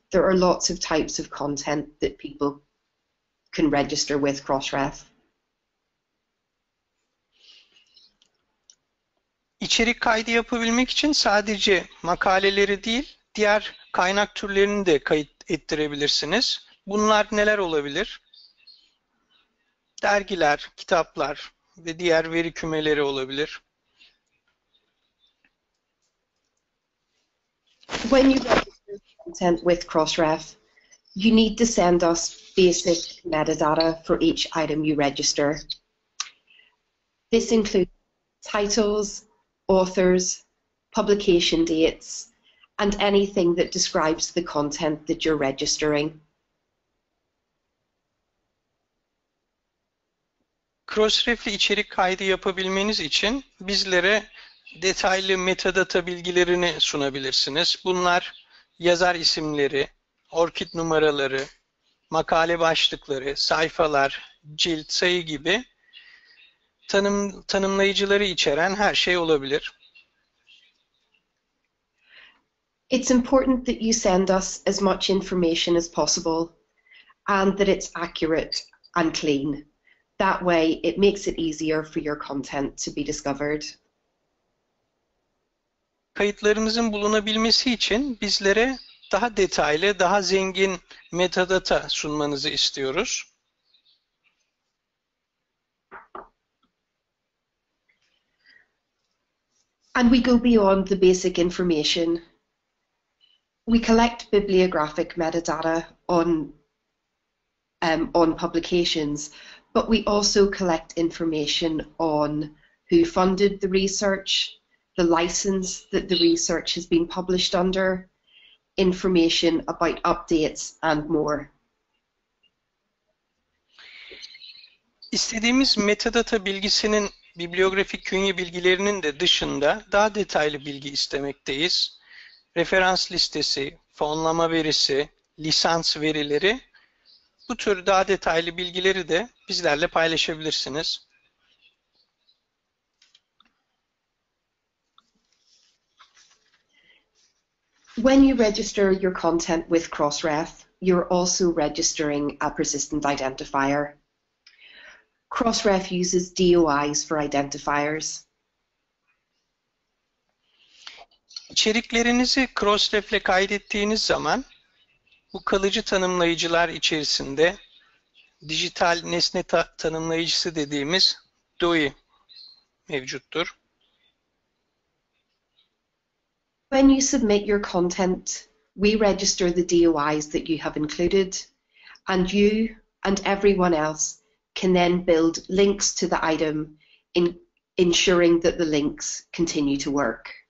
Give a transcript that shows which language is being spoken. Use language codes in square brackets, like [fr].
[en] There are lots of types of content that people can register with Crossref. [tr] İçerik kaydı yapabilmek için sadece makaleleri değil, diğer kaynak türlerini de kayıt ettirebilirsiniz. Bunlar neler olabilir? Dergiler, kitaplar ve diğer veri kümeleri olabilir. [en] When you register content with Crossref, you need to send us basic metadata for each item you register. This includes titles, authors, publication dates, and anything that describes the content that you're registering. [tr] Crossref'li içerik kaydı yapabilmeniz için bizlere detaylı metadata bilgilerini sunabilirsiniz. Bunlar yazar isimleri, orkid numaraları, makale başlıkları, sayfalar, cilt sayı gibi tanımlayıcıları içeren her şey olabilir. [en] It's important that you send us as much information as possible and that it's accurate and clean. That way it makes it easier for your content to be discovered. [tr] Kayıtlarımızın bulunabilmesi için bizlere daha detaylı, daha zengin metadata sunmanızı istiyoruz. [en] And we go beyond the basic information. We collect bibliographic metadata on publications, but we also collect information on who funded the research, the license that the research has been published under, information about updates, and more. [tr] İstediğimiz metadata bilgisinin bibliyografik künye bilgilerinin de dışında daha detaylı bilgi istemekteyiz. Referans listesi, fonlama verisi, lisans verileri, bu tür daha detaylı bilgileri de bizlerle paylaşabilirsiniz. [en] When you register your content with Crossref, you're also registering a persistent identifier. Crossref uses DOIs for identifiers. [tr] İçeriklerinizi Crossref'le kaydettiğiniz zaman bu kalıcı tanımlayıcılar içerisinde dijital nesne tanımlayıcısı dediğimiz DOI mevcuttur. [en] When you submit your content, we register the DOIs that you have included, and you and everyone else can then build links to the item, ensuring that the links continue to work.